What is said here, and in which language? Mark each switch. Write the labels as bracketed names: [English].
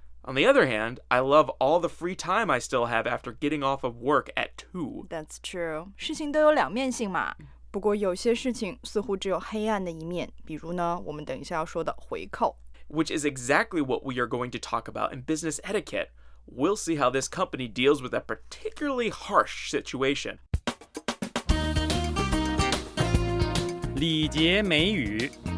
[English] On the other hand, I love all the free time I still have after getting off of work at 2. That's true. [Chinese] 事情都有两面性嘛。不过有些事情似乎只有黑暗的一面，比如呢，我们等一下要说的回扣。 [English] Which is exactly what we are going to talk about in business etiquette. We'll see how this company deals with a particularly harsh situation. [Chinese] 礼节美语。